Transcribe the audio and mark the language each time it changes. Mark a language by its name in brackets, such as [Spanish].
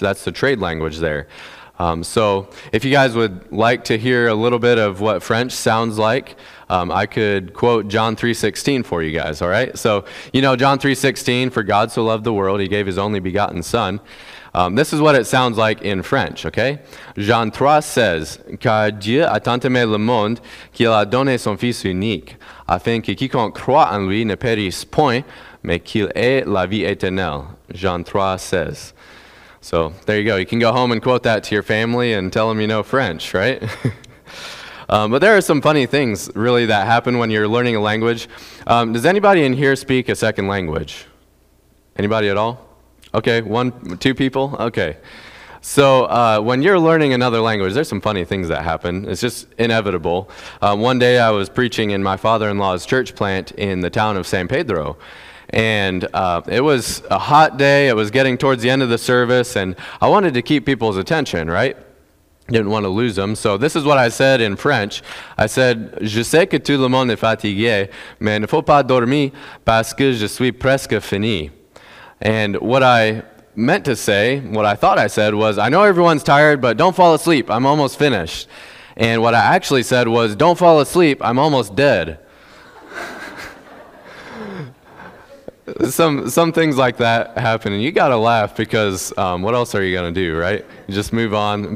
[English] That's the trade language there. So if you guys would like to hear a little bit of what French sounds like, I could quote John 3:16 for you guys, all right? So, you know, John 3:16, for God so loved the world, he gave his only begotten son. This is what it sounds like in French, okay? [French] Jean 3 [English] says, [French] car Dieu a tant aimé le monde qu'il a donné son fils unique, afin que quiconque croit en lui ne périsse point, mais qu'il ait la vie éternelle. Jean 3 [English] says. So there you go. You can go home and quote that to your family and tell them you know French, right? But there are some funny things, really, that happen when you're learning a language. Does anybody in here speak a second language? Anybody at all? Okay, one, two people? Okay. So when you're learning another language, there's some funny things that happen. It's just inevitable. One day I was preaching in my father-in-law's church plant in the town of San Pedro. And it was a hot day. It was getting towards the end of the service. And I wanted to keep people's attention, right? Didn't want to lose them. So this is what I said in French. I said, [French] je sais que tout le monde est fatigué, mais ne faut pas dormir parce que je suis presque fini. [English] And what I meant to say, what I thought I said was, I know everyone's tired, but don't fall asleep. I'm almost finished. And what I actually said was, don't fall asleep. I'm almost dead. Some things like that happen, and you got to laugh because what else are you going to do, right? You just move on.